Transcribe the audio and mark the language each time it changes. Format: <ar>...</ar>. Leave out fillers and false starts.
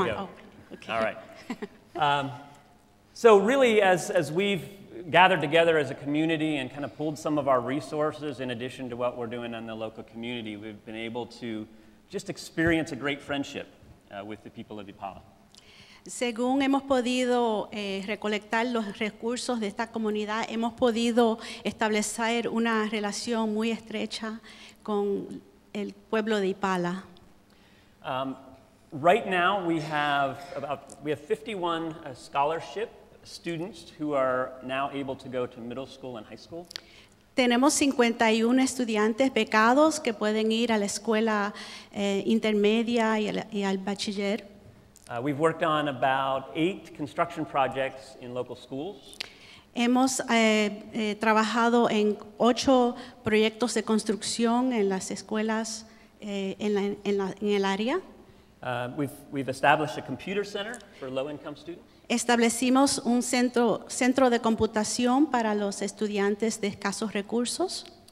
<en>We go. Oh, okay. All right. So really, as we've gathered together as a community and kind of pulled some of our resources in addition to what we're doing in the local community, we've been able to just experience a great friendship with the people of Ipala.</en> <es>Según hemos podido recolectar los recursos de esta comunidad, hemos podido establecer una relación muy estrecha con el pueblo de Ipala.</es> <en>Right now we have 51 scholarship students who are now able to go to middle school and high school.</en> <es>Tenemos 51 estudiantes becados que pueden ir a la escuela intermedia y al bachiller.</es> <en>We've worked on about 8 construction projects in local schools.</en> <es>Hemos trabajado en 8 proyectos de construcción en las escuelas en el área.</es> <en>We've established a computer center for low-income students.</en> <es>Establecimos un centro de computación para los estudiantes de escasos recursos.</es>